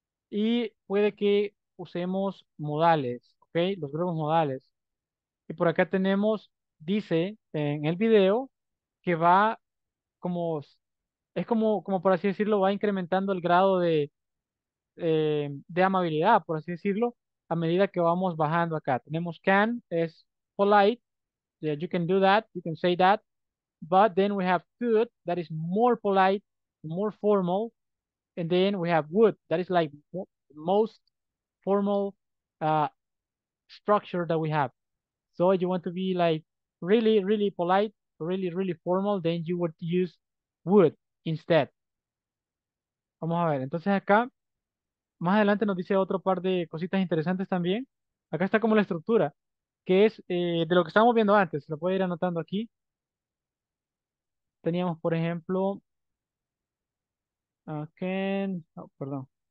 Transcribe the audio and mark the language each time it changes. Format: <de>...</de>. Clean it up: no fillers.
<es>y puede que usemos modales, ¿ok? Los verbos modales. Y por acá tenemos, dice en el video, que va como, es como, como por así decirlo, va incrementando el grado de amabilidad, por así decirlo, a medida que vamos bajando acá. Tenemos</es> <en>can,</en> <es>es</es> <en>polite, yeah, you can do that, you can say that, but then we have could, that is more polite, more formal, and then we have would, that is like most formal structure that we have. So if you want to be like really, really polite, really, really formal, then you would use would instead.</en> <es>Vamos a ver, entonces acá, más adelante nos dice otro par de cositas interesantes también. Acá está como la estructura, que es de lo que estábamos viendo antes. Lo puede ir anotando aquí. Teníamos, por ejemplo, can, oh, perdón.</es>